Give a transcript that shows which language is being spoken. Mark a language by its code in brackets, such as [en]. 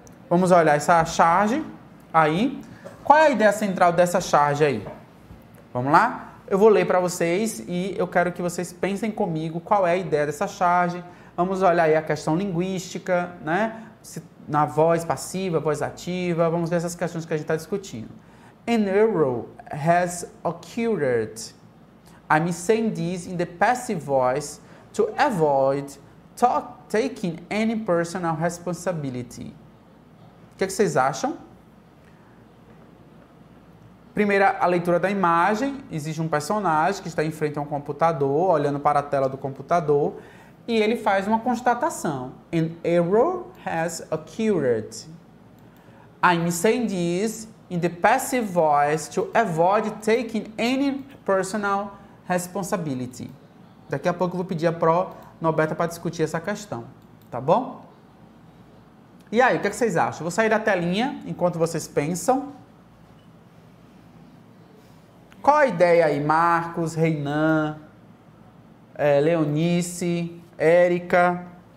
[pt] Vamos olhar essa charge aí. Qual é a ideia central dessa charge aí? Vamos lá? Eu vou ler para vocês e eu quero que vocês pensem comigo qual é a ideia dessa charge. Vamos olhar aí a questão linguística, né? Se, na voz passiva, voz ativa. Vamos ver essas questões que a gente está discutindo. [en] An error has occurred. I'm saying this in the passive voice to avoid taking any personal responsibility. [pt] O que, que vocês acham? Primeira, a leitura da imagem. Existe um personagem que está em frente a um computador, olhando para a tela do computador, e ele faz uma constatação. [en] An error has occurred. I'm saying this in the passive voice to avoid taking any personal responsibility. [pt] Daqui a pouco eu vou pedir a Pro Noberta para discutir essa questão. Tá bom? E aí, o que, é que vocês acham? Vou sair da telinha enquanto vocês pensam. Qual a ideia aí, Marcos, Reinan, Leonice, Érica?